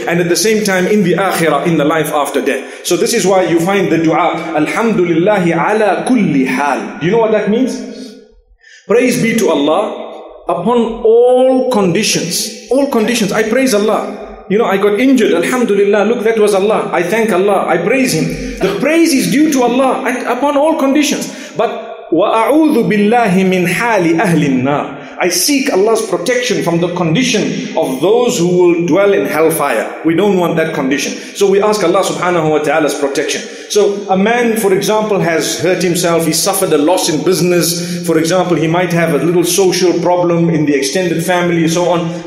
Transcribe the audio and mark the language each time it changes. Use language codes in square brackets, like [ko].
[en] And at the same time in the akhirah, in the life after death. So this is why you find the dua, Alhamdulillahi ala kulli hal. Do you know what that means? Praise be to Allah upon all conditions. All conditions, I praise Allah. You know, I got injured, Alhamdulillah, look, that was Allah. I thank Allah, I praise Him. The praise is due to Allah upon all conditions. [ar] But وَأَعُوذُ بِاللَّهِ مِنْ حَالِ أَهْلِ النَّارِ. [en] I seek Allah's protection from the condition of those who will dwell in hellfire. We don't want that condition. So we ask Allah subhanahu wa ta'ala's protection. So a man, for example, has hurt himself. He suffered a loss in business. For example, he might have a little social problem in the extended family, so on.